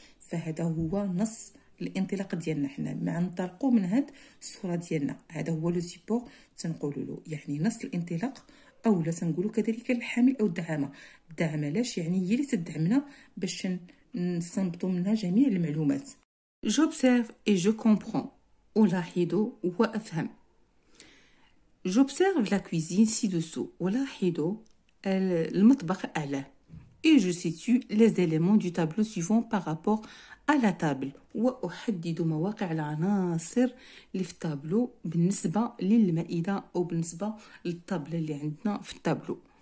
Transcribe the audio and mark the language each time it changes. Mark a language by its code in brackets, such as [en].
[ar] فهذا هو نص الانطلاق ديالنا احنا ما نطلقوا من هاد الصورة ديالنا هذا هو لو سيبور تنقولوا له يعني نص الانطلاق أو لا تنقولوا كذلك الحامل أو الدعامة الدعامة لاش يعني هي اللي تدعمنا باش نستنبطوا منها جميع المعلومات [fr] J'observe et je comprends [ar] ألاحظ وأفهم [fr] J'observe la cuisine ci-dessous [ar] ألاحظ المطبخ أعلى [fr] Et je situe les éléments du tableau suivant par rapport à la table. [ar] وأحدد مواقع العناصر اللي في التابلو بالنسبة للمائدة أو بالنسبة للطابلة اللي عندنا في التابلو.